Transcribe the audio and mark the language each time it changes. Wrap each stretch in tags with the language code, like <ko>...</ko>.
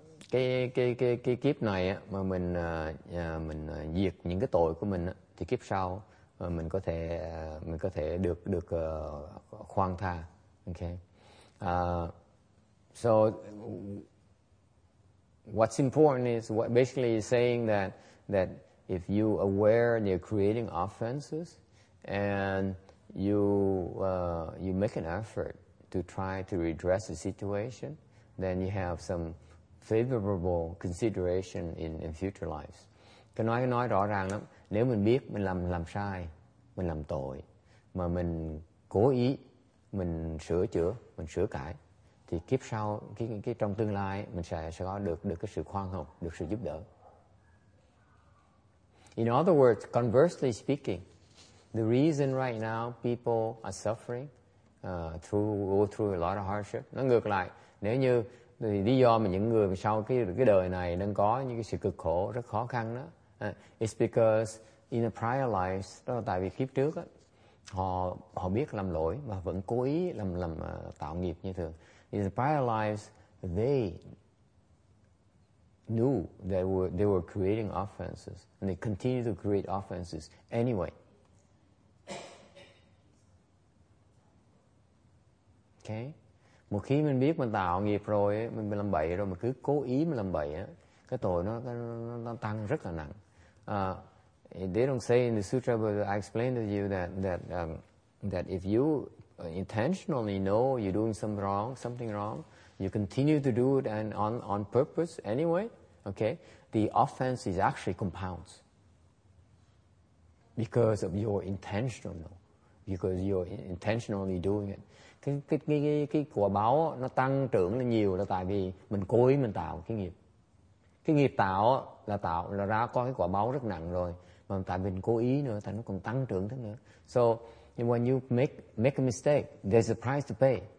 <vi>Cái kiếp này á, mà mình diệt những cái tội của mình á, thì kiếp sau mình có thể được khoan tha.</vi> <en>Okay. So what's important is what basically is saying that if you aware and you're creating offenses and you make an effort to try to redress the situation, then you have some favorable consideration in future lives.</en> <vi>Cái nói rõ ràng lắm. Nếu mình biết mình làm sai, mình làm tội, mà mình cố ý mình sửa chữa, mình sửa cải, thì kiếp sau, cái trong tương lai mình sẽ có được cái sự khoan hồng, được sự giúp đỡ.</vi> <en>In other words, conversely speaking, the reason right now people are suffering go through a lot of hardship.</en> <vi>Nó ngược lại, nếu như thì lý do mà những người sau cái đời này đang có những cái sự cực khổ rất khó khăn đó,</vi> <en>it's because in the prior lives,</en> <vi>đó là tại vì kiếp trước đó, họ biết làm lỗi mà vẫn cố ý làm tạo nghiệp như thường.</vi> <en>In the prior lives, they knew they were creating offenses and they continue to create offenses anyway. Okay.</en> <vi>Một khi mình biết mình tạo nghiệp rồi, mình làm bậy rồi, mình cứ cố ý mình làm bậy, cái tội nó tăng rất là nặng.</vi> <en>They don't say in the sutra, but I explained to you that if you intentionally know you're doing something wrong, you continue to do it and on purpose anyway, okay, the offense is actually compounds because of your intentional, because you're intentionally doing it.</en> <vi>Cái quả báo nó tăng trưởng là nhiều là tại vì mình cố ý mình tạo cái nghiệp. Cái nghiệp tạo là ra có cái quả báo rất nặng rồi. Mà tại mình cố ý nữa, tại nó còn tăng trưởng thêm nữa.</vi> <en>So, when you make a mistake, there's a price to pay.</en>